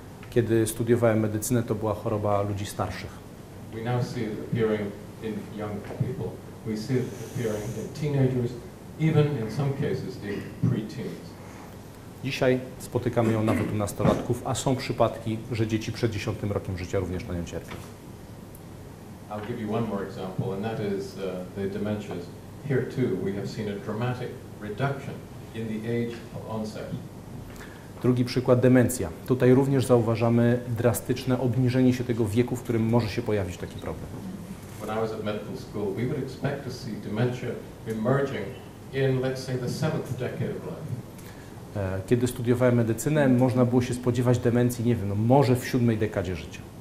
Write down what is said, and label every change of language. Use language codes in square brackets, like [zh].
[pl] Kiedy studiowałem medycynę, to była choroba ludzi starszych. [en] We now see it appearing in young people. We see it appearing in teenagers, even in some cases in preteens. [pl] Dzisiaj spotykamy ją nawet u nastolatków, a są przypadki, że dzieci przed 10 rokiem życia również na nią cierpią. [en] I'll give you one more example, and that is the dementias. Here too we have seen a dramatic reduction in the age of onset. [pl] Drugi przykład, demencja. Tutaj również zauważamy drastyczne obniżenie się tego wieku, w którym może się pojawić taki problem. [en] When I was at medical school, we would expect to see dementia emerging in, let's say, the 7th decade of life. [pl] Kiedy studiowałem medycynę, można było się spodziewać demencji, nie wiem, no może w 7 dekadzie życia.